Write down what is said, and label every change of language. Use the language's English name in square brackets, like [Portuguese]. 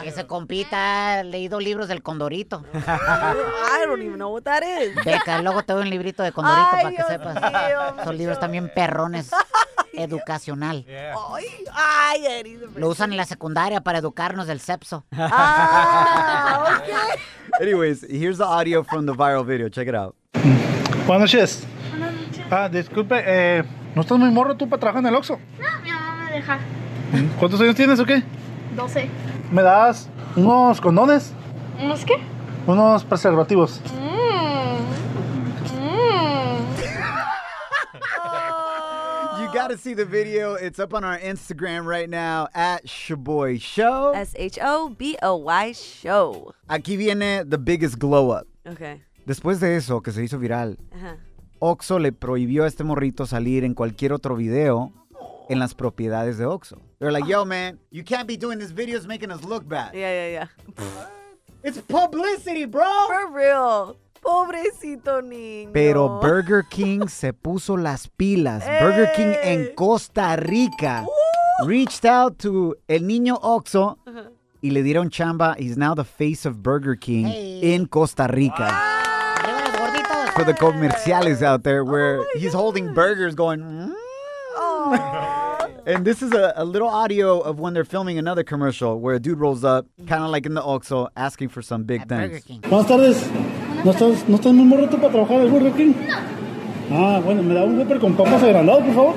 [Spanish] Ese compita ha leído libros del condorito. [English] I don't even know what that is. [Spanish] Beca, luego te doy un librito de condorito para que Dios sepas. Dios, son libros también perrones. Educacional. [English] Yeah. Ay, [Spanish] lo usan en la secundaria para educarnos del sepso. [English] Ah, okay. Anyways, here's the audio from the viral video. Check it out. [Spanish] Buenas noches. Buenas noches. Ah, disculpe, ¿no estás muy morro tú para trabajar en el Oxxo? No, mi mamá me deja. ¿Cuántos años tienes o qué? 12. ¿Me das unos condones? ¿Unos qué? Unos preservativos. [English] You gotta see the video. It's up on our Instagram right now at Shaboy Show. S-H-O-B-O-Y Show. [Spanish] Aquí viene [English] the biggest glow up. Okay. [Spanish] Después de eso, que se hizo viral. Uh-huh. Oxxo le prohibió a este morrito salir en cualquier otro video en las propiedades de Oxxo. [English] They're like, yo, man, you can't be doing this video, it's making us look bad. Yeah. It's publicity, bro. For real. [Spanish] Pobrecito niño. Pero Burger King se puso las pilas. Hey. Burger King en Costa Rica [English] reached out to [Spanish] el niño Oxxo y le dieron chamba. [English] He's now the face of Burger King in Costa Rica. Wow. For the comerciales out there where he's holding burgers going, And this is a little audio of when they're filming another commercial where a dude rolls up, kind of like in the Oxxo, asking for some big things. [Spanish] Buenas tardes. ¿No estás muy morrito para trabajar en Burger King? No. Ah, bueno, ¿me da un pepper con papas agrandado, por favor?